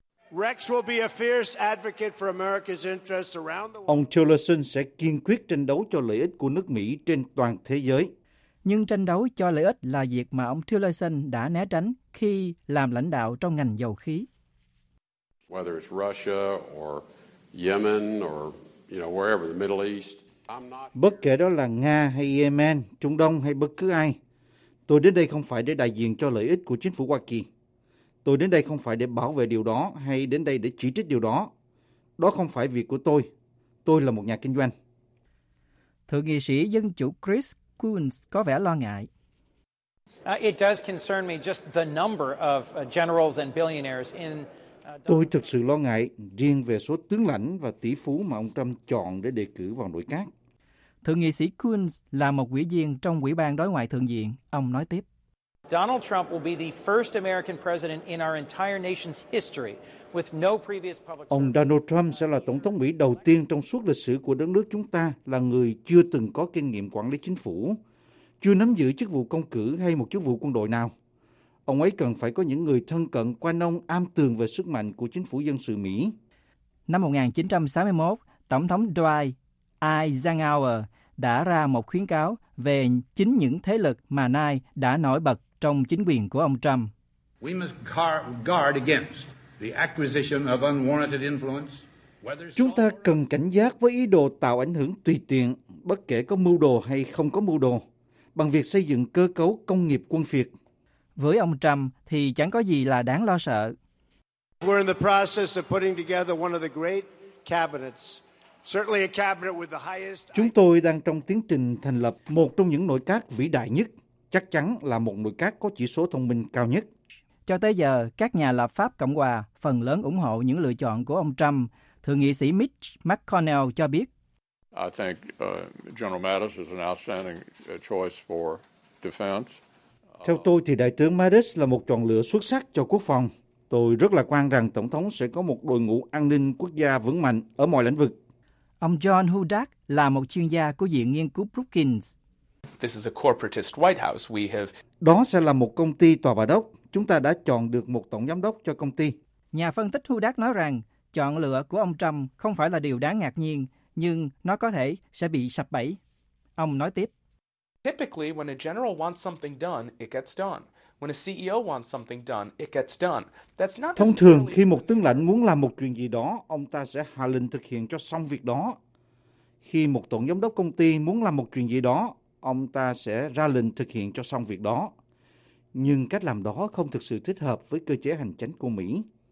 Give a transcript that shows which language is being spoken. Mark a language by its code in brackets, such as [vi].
[en] Rex will be a fierce advocate for America's interests around the world. [vi] Ông Tillerson sẽ kiên quyết tranh đấu cho lợi ích của nước Mỹ trên toàn thế giới. Nhưng tranh đấu cho lợi ích là việc mà ông Tillerson đã né tránh khi làm lãnh đạo trong ngành dầu khí. [en] Whether it's Russia or Yemen or wherever the Middle East. [vi] Bất kể đó là Nga hay Yemen, Trung Đông hay bất cứ ai, tôi đến đây không phải để đại diện cho lợi ích của chính phủ Hoa Kỳ. Tôi đến đây không phải để bảo vệ điều đó hay đến đây để chỉ trích điều đó, đó không phải việc của tôi. Tôi là một nhà kinh doanh. Thượng nghị sĩ dân chủ Chris Coons có vẻ lo ngại. [en] It does concern me just the number of generals and billionaires in. [vi] Tôi thực sự lo ngại riêng về số tướng lãnh và tỷ phú mà ông Trump chọn để đề cử vào nội các. Thượng nghị sĩ Coons là một ủy viên trong ủy ban đối ngoại thượng viện. Ông nói tiếp. [en] Donald Trump will be the first American president in our entire nation's history with no previous public. [vi] Ông Donald Trump sẽ là tổng thống Mỹ đầu tiên trong suốt lịch sử của đất nước chúng ta là người chưa từng có kinh nghiệm quản lý chính phủ, chưa nắm giữ chức vụ công cử hay một chức vụ quân đội nào. Ông ấy cần phải có những người thân cận quanh ông am tường về sức mạnh của chính phủ dân sự Mỹ. Năm 1961, Tổng thống Dwight Eisenhower đã ra một khuyến cáo về chính những thế lực mà nay đã nổi bật trong chính quyền của ông Trump. [en] We must guard against the acquisition of unwarranted influence. [vi] Chúng ta cần cảnh giác với ý đồ tạo ảnh hưởng tùy tiện, bất kể có mưu đồ hay không có mưu đồ, bằng việc xây dựng cơ cấu công nghiệp quân phiệt. Với ông Trump thì chẳng có gì là đáng lo sợ. [en] We're in the process of putting together one of the great cabinets. Certainly a cabinet with the highest. [vi] Chúng tôi đang trong tiến trình thành lập một trong những nội các vĩ đại nhất, chắc chắn là một nội các có chỉ số thông minh cao nhất. Cho tới giờ, các nhà lập pháp Cộng hòa phần lớn ủng hộ những lựa chọn của ông Trump. Thượng nghị sĩ Mitch McConnell cho biết. [en] I think General Mattis is an outstanding choice for defense. [vi] Theo tôi thì Đại tướng Mattis là một chọn lựa xuất sắc cho quốc phòng. Tôi rất lạc quan rằng Tổng thống sẽ có một đội ngũ an ninh quốc gia vững mạnh ở mọi lĩnh vực. Ông John Hudak là một chuyên gia của Viện Nghiên cứu Brookings. [en] This is a corporatist White House. We have. [vi] Đó sẽ là một công ty tòa bà đốc. Chúng ta đã chọn được một tổng giám đốc cho công ty. Nhà phân tích Hudak nói rằng chọn lựa của ông Trump không phải là điều đáng ngạc nhiên, nhưng nó có thể sẽ bị sập bẫy. Ông nói tiếp. [en] Typically, when a general wants something done, it gets done. When a CEO wants something done, it gets done. That's not. [vi] Thông thường khi một tướng lãnh muốn làm một chuyện gì đó, ông ta sẽ hạ lệnh thực hiện cho xong việc đó. Khi một tổng giám đốc công ty muốn làm một chuyện gì đó, ông ta sẽ ra lệnh thực hiện cho xong việc đó. Nhưng cách làm đó không thực sự thích hợp với cơ chế hành chính của Mỹ.